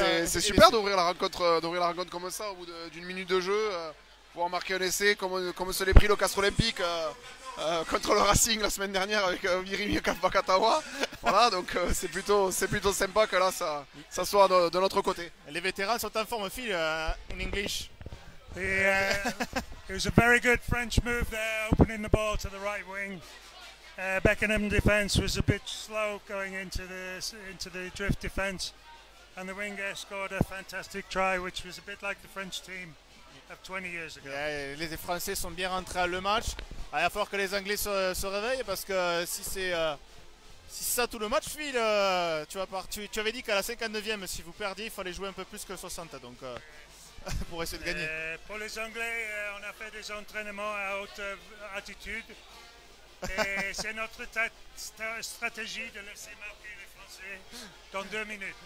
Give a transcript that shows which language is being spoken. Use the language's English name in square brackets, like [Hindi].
[French] C'est super d'ouvrir la rencontre comme ça au bout d'une minute de jeu. Pouvoir marquer un essai comme se l'est pris le Castres Olympique. Contre le Racing la semaine dernière avec Virimi Kapakatawa. Voilà, donc c'est plutôt sympa que là ça soit de notre côté. Les vétérans sont en forme, Phil, [English] in English. It was a very good French move there, opening the ball to the right wing. Beckenham defense was a bit slow going into the drift defense, and the winger scored a fantastic try, which was a bit like the French team of 20 years ago. [French] Les Français sont bien rentrés à le match. Il va falloir que les Anglais se réveillent, parce que si c'est ça tout le match, Phil, tu avais dit qu'à la 59e, si vous perdiez, il fallait jouer un peu plus que 60, donc pour essayer de gagner. Pour les Anglais, on a fait des entraînements à haute altitude, et c'est notre stratégie de laisser marquer les Français dans 2 minutes.